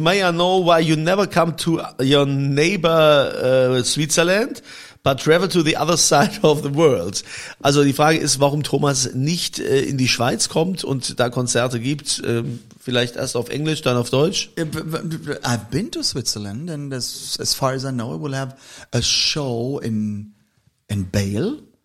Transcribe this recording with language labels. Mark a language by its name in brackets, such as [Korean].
[English] May I know why you never come to your neighbor Switzerland, but travel to the other side of the world? [German] Also die Frage ist, warum Thomas nicht in die Schweiz kommt und da Konzerte gibt, vielleicht erst auf Englisch, dann auf Deutsch? [English] I've been to Switzerland and as far as I know, I will have a show in Bale.